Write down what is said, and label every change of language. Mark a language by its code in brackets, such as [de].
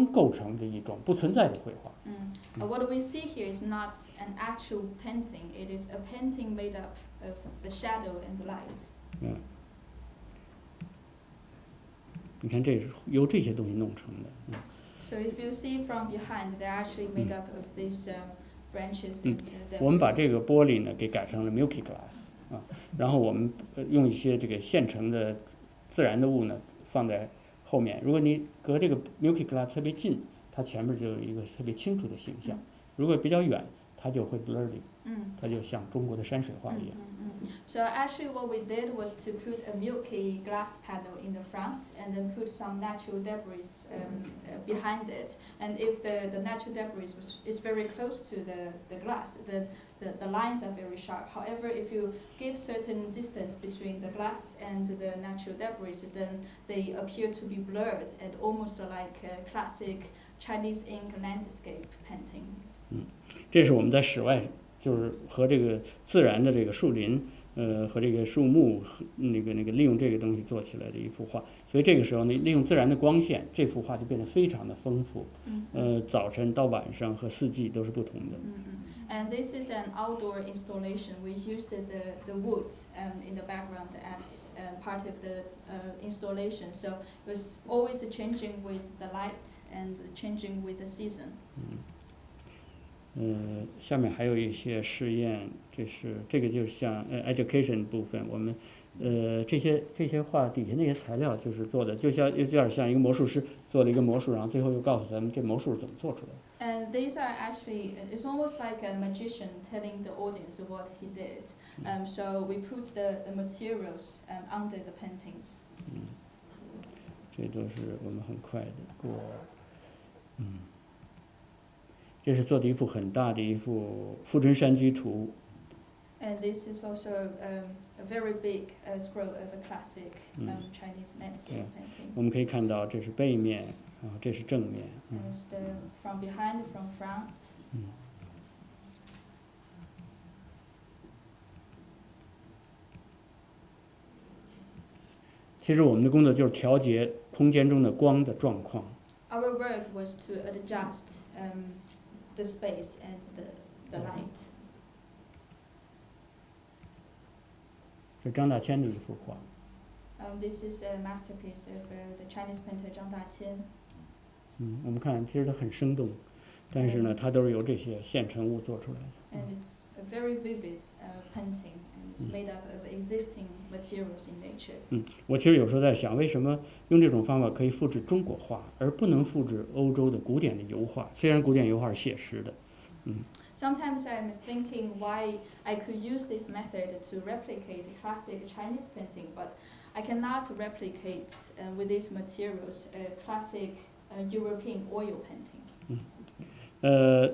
[zh] 我们看到的不是真正的绘画，而是一个由这个光构成的一种不存在的绘画。 [en] What we see here is not an actual painting. It is a painting made up of the shadow and the light. [zh] 你看这是由这些东西弄成的。 [en] So if you see from behind, they're actually made up of these branches and the [zh] 我们把这个玻璃呢，给改成了 Milky Glass。然后我们用一些这个现成的自然的物呢放在后面。如果你隔这个 Milky Glass 特别近，它前面就有一个特别清楚的形象；如果比较远，它就会 blurry，它就像中国的山水画一样。 [en] So actually, what we did was to put a Milky Glass panel in the front, and then put some natural debris behind it. And if the natural debris is very close to the glass, then the lines are very sharp. However, if you give certain distance between the glass and the natural debris, then they appear to be blurred and almost like a classic Chinese ink landscape painting. [zh] 这是我们在室外，就是和这个自然的这个树林，和这个树木，利用这个东西做起来的一幅画。所以这个时候呢，利用自然的光线，这幅画就变得非常的丰富。早晨到晚上和四季都是不同的。 [en] And this is an outdoor installation. We used the woods in the background as part of the installation. So it was always changing with the light and changing with the season. [zh] 下面还有一些试验，这是这个就是像education 部分，我们这些画底下那些材料就是做的，就像有点像一个魔术师做了一个魔术，然后最后又告诉咱们这魔术是怎么做出来的。 [en] And these are actually, it's almost like a magician telling the audience what he did. So we put the materials under the paintings. [zh] 这都是我们很快的过。这是做的一幅很大的一幅富春山居图。 [en] And this is also a very big scroll of a classic Chinese landscape painting. [zh] 我们可以看到这是背面。然后这是正面。 [en] From behind, from front. [zh] 其实我们的工作就是调节空间中的光的状况。 [en] Our work was to adjust the space and the light. [zh] 这张大千的一幅画。 [en] This is a masterpiece of the Chinese painter 张大千。 [zh] 我们看其实它很生动，但是呢它都是由这些现成物做出来的。 [en] And it's a very vivid painting, and it's made up of existing materials in nature. [zh] 我其实有时候在想，为什么用这种方法可以复制中国画，而不能复制欧洲的古典的油画？虽然古典油画是写实的。 [en] Sometimes I'm thinking why I could use this method to replicate classic Chinese painting, but I cannot replicate with these materials a classic European oil painting.